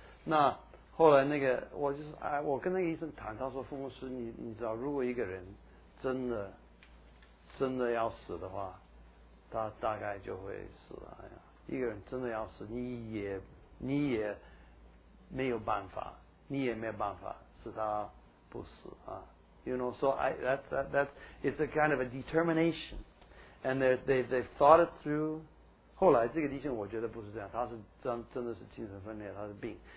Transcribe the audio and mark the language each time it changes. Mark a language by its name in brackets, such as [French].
[Chinese] 那后来那个我跟那个医生谈，他说：“傅牧师，你知道，如果一个人真的要死的话，他大概就会死了呀。一个人真的要死，你也没有办法，你也没有办法使他不死啊。 [English] You know, so that's it's a kind of a determination.” And they thought it through. [Chinese] 后来这个弟兄我觉得不是这样，他是真的是精神分裂，他是病。